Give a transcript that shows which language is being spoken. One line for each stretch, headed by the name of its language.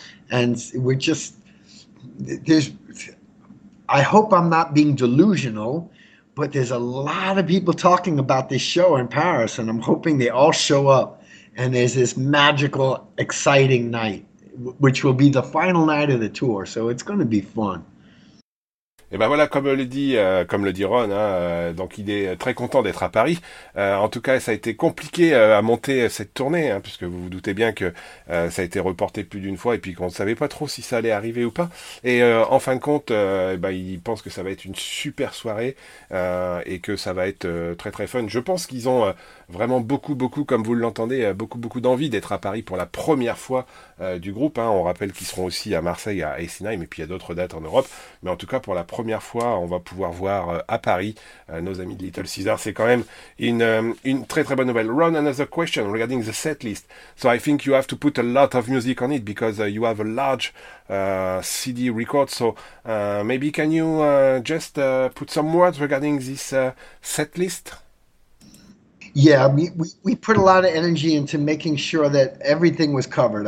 English: And we're just, I hope I'm not being delusional, but there's a lot of people talking about this show in Paris, and I'm hoping they all show up. And there's this magical, exciting night, which will be the final night of the tour. So it's going to be fun.
French: Et ben voilà, comme le dit Ron, donc il est très content d'être à Paris. En tout cas, ça a été compliqué à monter cette tournée, puisque vous vous doutez bien que ça a été reporté plus d'une fois et puis qu'on ne savait pas trop si ça allait arriver ou pas. Et en fin de compte, il pense que ça va être une super soirée et que ça va être très très fun. Je pense qu'ils ont vraiment beaucoup beaucoup, comme vous l'entendez, beaucoup beaucoup d'envie d'être à Paris pour la première fois du groupe. On rappelle qu'ils seront aussi à Marseille, à Eisenheim, et puis il y a d'autres dates en Europe. Mais en tout cas, pour la première fois, on va pouvoir voir à Paris nos amis de Little Caesar. C'est quand même une très très bonne nouvelle.
English: Ron, another question regarding the set list. So I think you have to put a lot of music on it because you have a large CD record. So maybe can you just put some words regarding this set list? Yeah, we put a lot of energy into making sure that everything was covered.